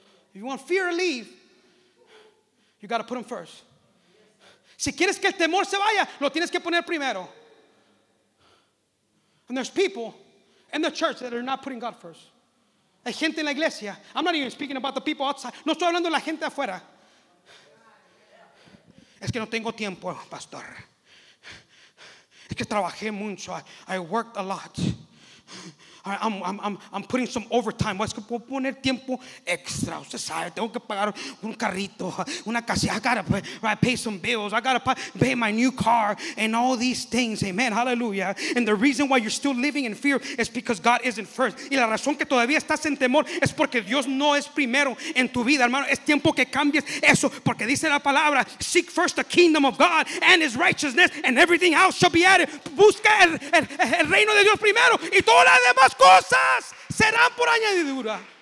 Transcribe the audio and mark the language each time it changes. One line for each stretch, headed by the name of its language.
English: If you want fear to leave, you got to put him first.
Spanish: Si quieres que el temor se vaya, lo tienes que poner primero.
English: And there's people in the church that are not putting God first.
Spanish: Hay gente en la iglesia.
English: I'm not even speaking about the people outside.
Spanish: No estoy hablando de la gente afuera. Es que no tengo tiempo, pastor. Que trabajé mucho.
English: I worked a lot. I'm putting some overtime.
Spanish: Es que puedo poner tiempo extra. Usted sabe, tengo que pagar un carrito, una casa.
English: I gotta pay some bills. I gotta pay my new car and all these things. Amen. Hallelujah. And the reason why you're still living in fear is because God isn't first.
Spanish: Y la razón que todavía estás en temor es porque Dios no es primero en tu vida, hermano. Es tiempo que cambies eso, porque dice la palabra:
English: seek first the kingdom of God and His righteousness, and everything else shall be added.
Spanish: Busca el reino de Dios primero, y todas las demás cosas serán por añadidura.